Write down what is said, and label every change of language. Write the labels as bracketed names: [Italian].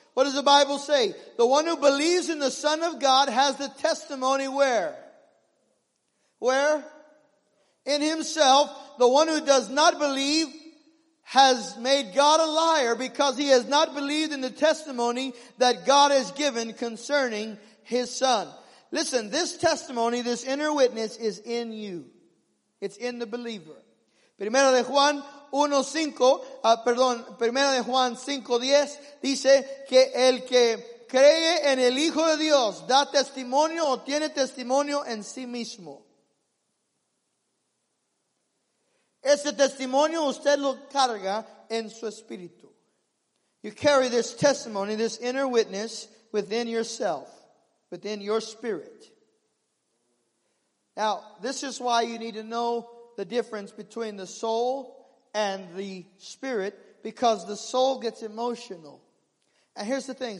[English] What does the Bible say? The one who believes in the Son of God has the testimony where? Where? In himself. The one who does not believe has made God a liar because he has not believed in the testimony that God has given concerning his Son. Listen, this testimony, this inner witness is in you. It's in the believer. [Spanish] Primera de Juan 1:5, Primera de Juan 5:10 dice que el que cree en el Hijo de Dios da testimonio o tiene testimonio en sí mismo. Ese testimonio usted lo carga en su espíritu. [English] You carry this testimony, this inner witness within yourself, within your spirit. Now, this is why you need to know the difference between the soul and the spirit, because the soul gets emotional. And here's the thing.